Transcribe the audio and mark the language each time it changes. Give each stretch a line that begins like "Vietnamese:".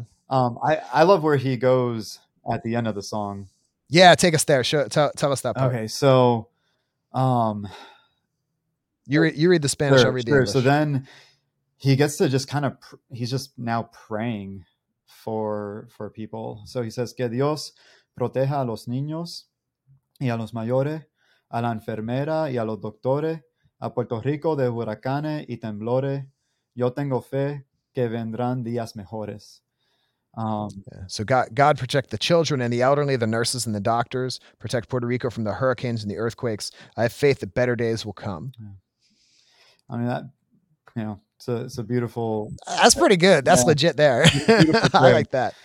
English: I love where he goes at the end of the song. Yeah, take us there. Tell us that part. Okay, so you read the Spanish, I'll read the English. So then he gets to just kind of he's just now praying for people. So he says,
Spanish: que Dios proteja a los niños y a los mayores, a la enfermera y a los doctores, a Puerto Rico de huracanes y temblores. Yo tengo fe que vendrán días mejores.
English: So God protect the children and the elderly, the nurses and the doctors, protect Puerto Rico from the hurricanes and the earthquakes. I have faith that better days will come. Yeah. I mean, that, you know, it's a beautiful. That's pretty good. That's legit there. I like that.